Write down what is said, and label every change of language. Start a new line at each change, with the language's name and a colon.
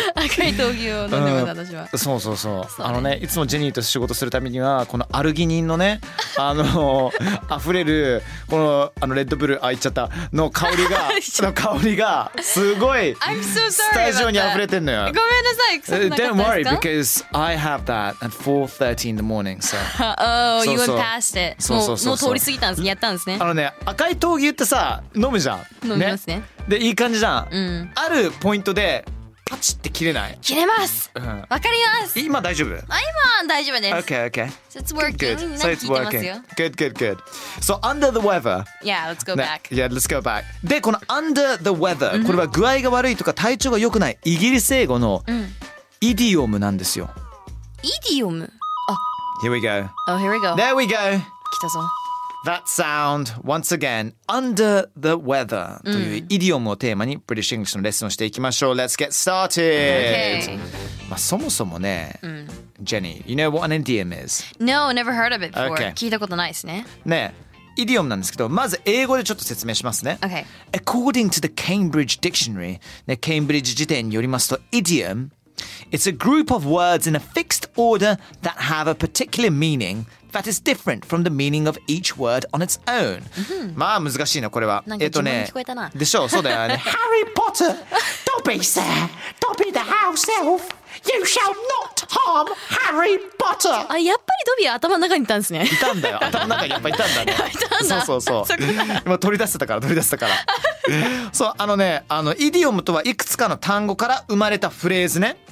Japanese: 赤い闘牛を飲んでます私は。そうそうそう。あのね、いつもジェニーと仕事するためにはこのアルギニンのね、あの溢れるこのあのレッドブル、あ、言っちゃったの香りが、の香りがすごい。
English: I'm so sorry。
Japanese: スタジオに溢れてんのよ。ごめんなさい。
English: Don't worry because I have that at 4:30 in the morning. So. Oh, you went past it.
Japanese: そうそうそう。もう通り過ぎたんです。やったんですね。あのね、赤い闘牛ってさ飲むじゃん。飲みます ね。でいい感じじゃん、うん、あるポイントでパチって切れない。切れます、わかります。今大丈夫？今大丈夫です。
English: OK OK、 so、It's working good, good. So it's working. Good good good. So under the weather. Yeah, let's go back. Yeah, let's go back.
Japanese: でこの under the weather、これは具合が悪いとか体調が良くないイギリス英語のイディオムなんですよ。イディオム。
English: Here we go. Oh, here we go. There we go.
Japanese: 来たぞ。
English: That sound, once again, under the weather、
Japanese: というイディオムをテーマに
English: British English
Japanese: のレッスンをしていきましょう。
English: Let's get started!、 Okay.
Japanese: まあ、そもそもね、
English: Jenny, you know what an idiom is? No, never heard of it before.、Okay.
Japanese: 聞いたことないですね。ね、イディオムなんですけど、まず英語でちょっと説明しますね。
English: Okay. According to the Cambridge Dictionary,
Japanese: ね、Cambridge 辞典によりますと、
English: idiom, it's a group of words in a fixed order that have a particular meaning,That is different from the meaning of each word on its own.
Japanese: まあ難しいなこれは。なんか呪文聞こえたな。でしょう、そうだよね。
English: Harry Potter! Dobby, sir! Dobby the house elf! You shall not harm Harry Potter!
Japanese: あ、やっぱりドビーは頭の中にいたんですね。いたんだよ。頭の中にやっぱいたんだね。いたんだ。そうそうそう。今取り出せたから、取り出せたから。そう、あのね、あの、イディオムとはいくつかの単語から生まれたフレーズね。